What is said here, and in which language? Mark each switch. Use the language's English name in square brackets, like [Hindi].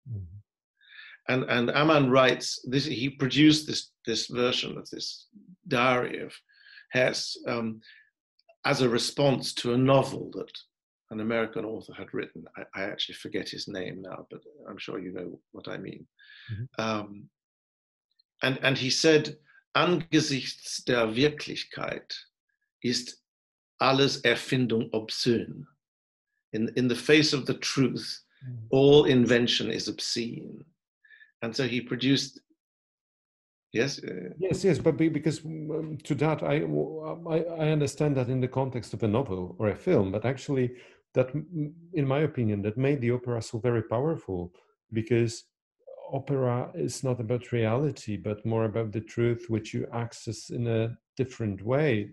[English] Mm-hmm. And Amann writes this. He produced this version of this diary of Hess as a response to a novel that an American author had written. I actually forget his name now, but I'm sure you know what I mean. Mm-hmm. And he said, [German] angesichts der Wirklichkeit ist alles Erfindung obszön. [English] In the face of the truth, mm-hmm. all invention is obscene. And so he produced, yes? Yes, but because to that, I understand that in the context of a novel or a film, but actually that, in my opinion, that made the opera so very powerful, because opera is not about reality, but more about the truth, which you access in a different way.